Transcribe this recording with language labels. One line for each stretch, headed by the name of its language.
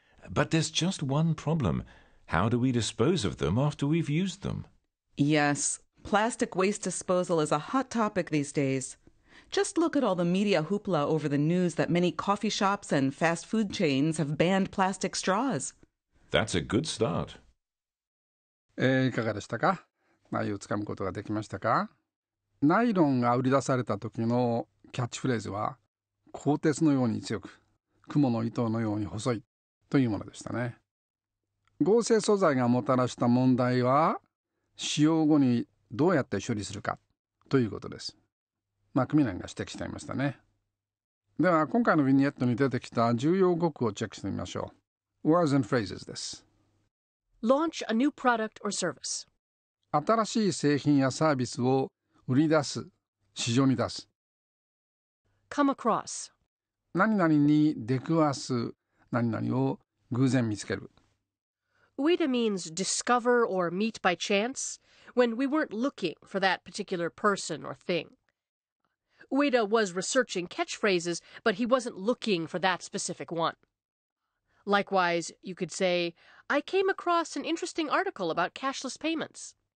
English: But there's just one problem. How do we dispose of them after we've used them? Yes, plastic waste disposal is a hot topic these days. Just look at all the media hoopla over the news that many coffee shops and fast food chains have banned plastic straws. That's a good start.
Japanese: いかがでしたか？内容をつかむことができましたか？ナイロンが売り出された時のキャッチフレーズは鋼鉄のように強く、蜘蛛の糸のように細いというものでしたね。合成素材がもたらした問題は使用後にどうやって処理するかということです。マクミランが指摘していましたね。では今回のビニエットに出てきた重要語句をチェックしてみましょう。
English: Words and phrases です。 Launch a new product or service.
Japanese: 新しい製品やサービスを売り出す、市場に出す。
English: Come across
Japanese: 何々に出くわす、何々を偶然見つける。
English: Ueda means discover or meet by chance when we weren't looking for that particular person or thing. Ueda was researching catchphrases, but he wasn't looking for that specific one. Likewise, you could say, I came across an interesting article about cashless payments.